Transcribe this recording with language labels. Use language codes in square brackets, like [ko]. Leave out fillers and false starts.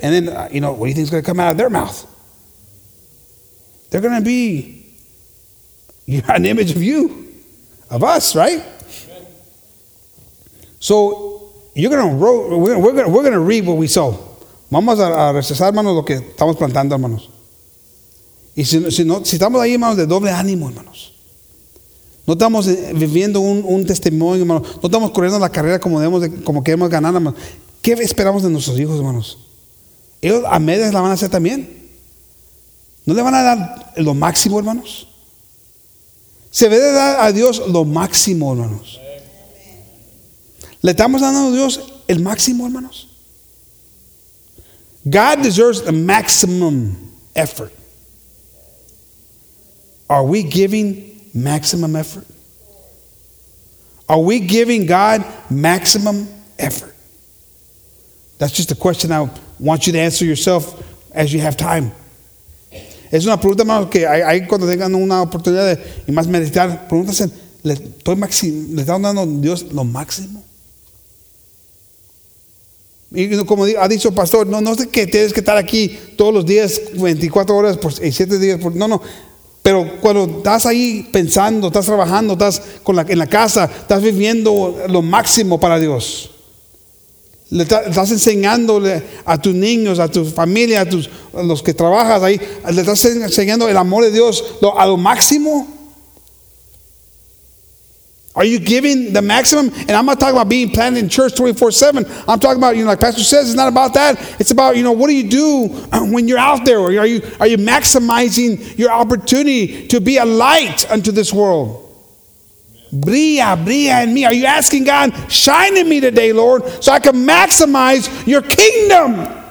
[en] And then, you know, what do you think is going to come out of their mouth? They're going to be an image of you, of us, right? So you're going to we're going to reap what we sow. [es] Vamos a recesar, hermanos, lo que estamos plantando, hermanos. Y si estamos ahí, hermanos, de doble ánimo, hermanos. No estamos viviendo un testimonio, hermanos. No estamos corriendo la carrera como queremos ganar, hermanos. ¿Qué esperamos de nuestros hijos, hermanos? Ellos a medias la van a hacer también. ¿No le van a dar lo máximo, hermanos? Se debe dar a Dios lo máximo, hermanos. ¿Le estamos dando a Dios el máximo, hermanos? [en] God deserves the maximum effort. Are we giving maximum effort? Are we giving God maximum effort? That's just a question I want you to answer yourself as you have time. [es] Es una pregunta, hermano, que ahí cuando tengan una oportunidad de, y más meditar, pregúntense, ¿le estamos dando a Dios lo máximo? Y como ha dicho el pastor, no sé que tienes que estar aquí todos los días, 24 horas y 7 días, no. Pero cuando estás ahí pensando, estás trabajando, estás en la casa, estás viviendo lo máximo para Dios. Estás enseñándole a tus niños, a tu familia, a los que trabajas ahí, le estás enseñando el amor de Dios a lo máximo. [en] Are you giving the maximum? And I'm not talking about being planted in church 24/7. I'm talking about, you know, like Pastor says, it's not about that. It's about, you know, what do you do when you're out there? Are you maximizing your opportunity to be a light unto this world? [es] Brilla, brilla [en] in me. Are you asking God, shine in me today, Lord, so I can maximize your kingdom?